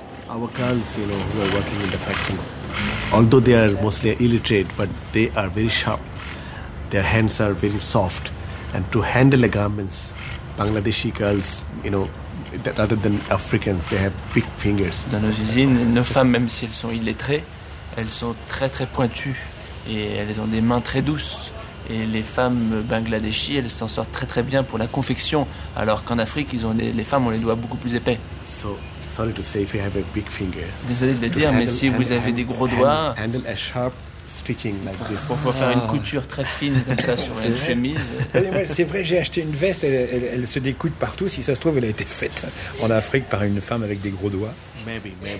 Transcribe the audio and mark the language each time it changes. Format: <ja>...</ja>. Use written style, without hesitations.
<en>Our girls, you know, who are working in the factories. Although they are mostly illiterate, but they are very sharp. Their hands are very soft. And to handle the garments, Bangladeshi girls, you know, rather than Africans, they have big fingers.</en> <fr>Dans nos usines, nos femmes, même si elles sont illettrées, elles sont très très pointues et elles ont des mains très douces. Et les femmes bangladeshi, elles s'en sortent très très bien pour la confection, alors qu'en Afrique, les femmes ont les doigts beaucoup plus épais.</fr> <en>So, sorry to say if you have a big finger.</en> <fr>Désolé de le dire, mais si vous avez des gros doigts,</fr> <en>handle a sharp stitching like this.</en> <fr>Pour pouvoir faire une couture très fine comme ça sur une chemise. C'est vrai, j'ai acheté une veste, elle se découpe partout. Si ça se trouve, elle a été faite en Afrique par une femme avec des gros doigts.</fr> <en>Maybe.</en>